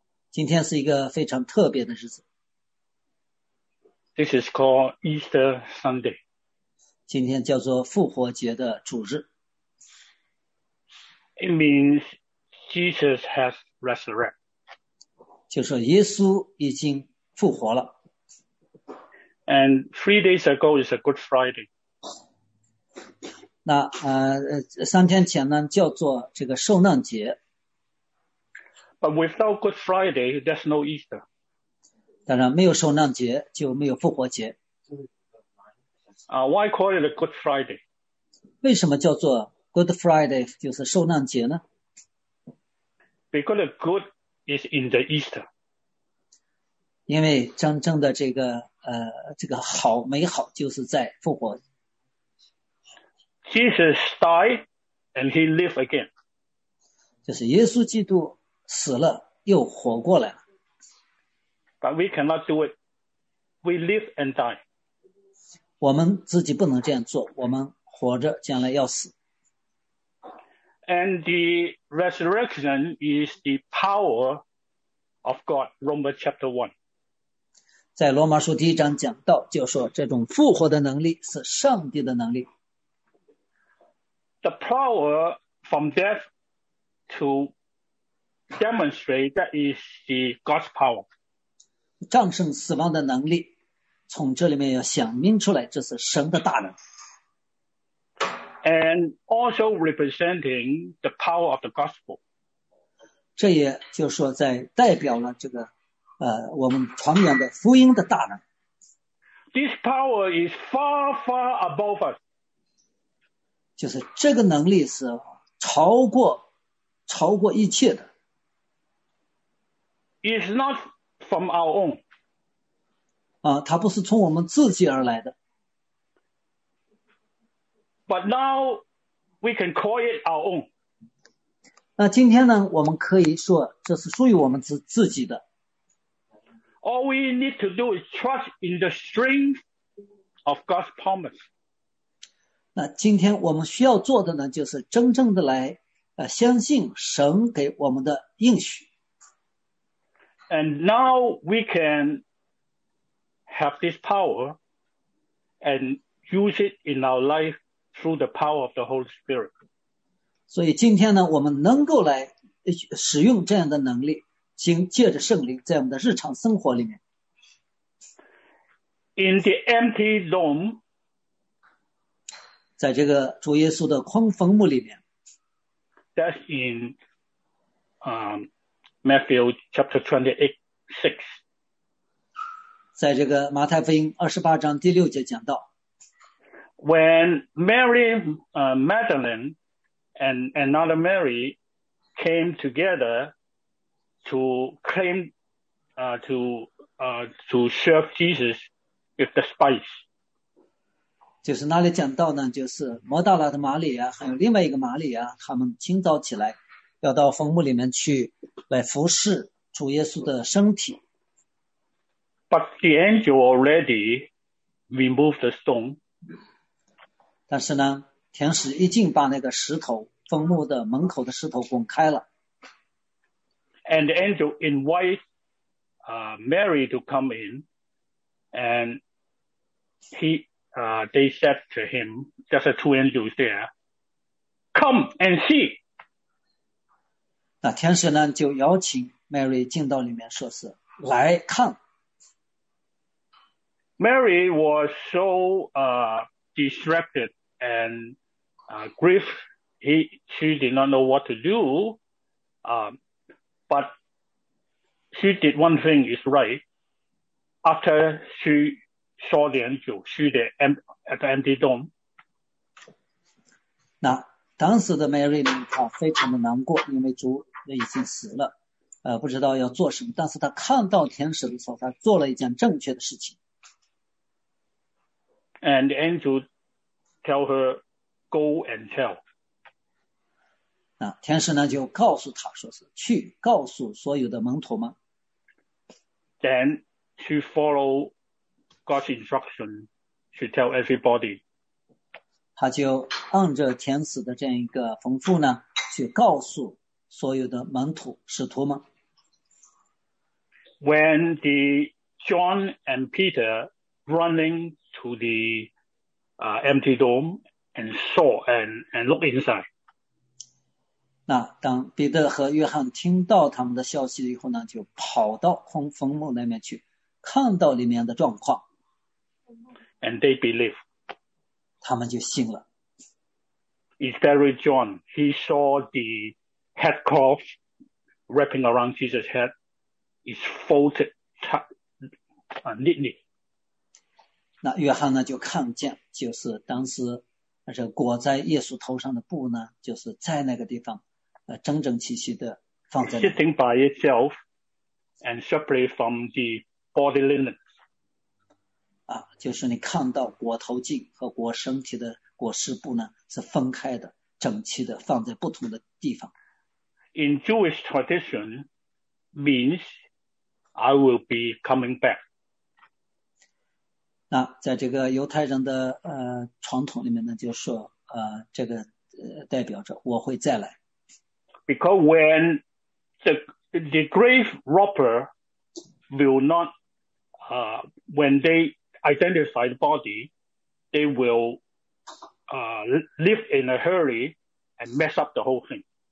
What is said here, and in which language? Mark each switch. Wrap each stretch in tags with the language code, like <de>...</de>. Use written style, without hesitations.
<zh>今天是一个非常特别的日子。</zh> <en>This is called Easter Sunday.</en> <zh>今天叫做复活节的主日。</zh> <en>It means Jesus has resurrected.</en> <zh>就说耶稣已经复活了。</zh> <en>And 3 days ago is a Good Friday.</en> <zh>那3天前呢，叫做这个受难节。</zh> <en>But without Good Friday, there's no Easter.</en> <zh>当然，没有受难节就没有复活节。</zh> <en>Why call it a Good Friday?</en> <zh>为什么叫做</zh> <en>Good Friday</en> <zh>就是受难节呢？</zh> <en>Because the good is in the Easter.</en> <zh>因为真正的这个好美好就是在复活。</zh> <en>Jesus died and he lived again.</en> <zh>就是耶稣基督死了又活过来了。</zh> <en>But we cannot do it. We live and die.</en> <zh>我们自己不能这样做，我们活着将来要死。</zh> <en>And the resurrection is the power of God, Romans chapter 1.</en> <zh>在罗马书第一章讲到，就说这种复活的能力是上帝的能力。</zh> <en>The power from death to demonstrate that is the God's power.</en> <zh>战胜死亡的能力，从这里面要显明出来，这是神的大能。</zh> <en>And also representing the power of the gospel.</en> <zh>这也就是说在代表了这个我们传扬的福音的大能。</zh> <en>This power is far, far above us.</en> <zh>就是这个能力是超过一切的。</zh> <en>It's not from our own.</en> <zh>它不是从我们自己而来的。</zh> <en>But now we can call it our own.</en> <zh>那今天呢，我们可以说这是属于我们自己的。</zh> <en>All we need to do is trust in the strength of God's promise.</en> <zh>那今天我们需要做的呢，就是真正的来相信神给我们的应许。</zh> <en>And now we can have this power and use it in our life through the power of the Holy Spirit.</en> <zh>所以今天呢，我们能够来使用这样的能力，借着圣灵在我们的日常生活里面。</zh> <en>In the empty tomb,</en> <zh>在这个主耶稣的空坟墓里面。</zh> <en>That's in Matthew chapter 28:6.</en> <zh>在这个马太福音28章第6节讲到。</zh> <en>When Mary, Magdalene and another Mary came together to claim, to serve Jesus with the spice.</en> <zh>就是那里讲到呢，就是摩大拉的玛利亚还有另外一个玛利亚，他们清早起来要到坟墓里面去来服侍主耶稣的身体。</zh> <en>But the angel already removed the stone.</en> <zh>但是呢，天使已经把那个石头，坟墓的门口的石头滚开了。</zh> <en>And the angel invites Mary to come in, and they said to him, just the two angels there, come and see.</en> <zh>那天使呢就邀请 Mary 进到里面，说是来看。</zh> <en>Mary was so distracted and grieved. She did not know what to do, but she did one thing is right. After she saw the angel, she did at the empty tomb.</en> <zh>那当时的 Mary 呢，她非常的难过，因为主已经死了，不知道要做什么。但是她看到天使的时候，她做了一件正确的事情。</zh> <en>And the angel tell her, go and tell.</en> <zh>那天使呢就告诉她，说是去告诉所有的门徒们。</zh> <en>Then to follow God's instruction to tell everybody</en> <zh>他就按着天使的这样一个吩咐呢，去告诉所有的门徒、使徒们。</zh> <en>When the John and Peter running to the empty tomb and saw and look inside.</en> <zh>那当彼得和约翰听到他们的消息以后呢，就跑到空坟墓那边去，看到里面的状况。</zh> <en>And they believe.</en> <zh>他们就信了。</zh> <en>Is there John? He saw the head cloth wrapping around Jesus' head is folded neatly.</en> <zh>那约翰呢就看见，就是当时这裹在耶稣头上的布呢，就是在那个地方整整齐齐的放在那里。</zh> <en>Sitting by itself and separate from the body linen.</en> <zh>啊，就是你看到裹头巾和裹身体的裹尸布呢，是分开的，整齐的放在不同的地方。</zh> <en>In Jewish tradition, means I will be coming back.</en> <zh>那在这个犹太人的传统里面呢，就说这个代表着我会再来。</zh> <en>Because when the grave robber will not when they identify the body, they will leave in a hurry and mess up the whole thing.</en>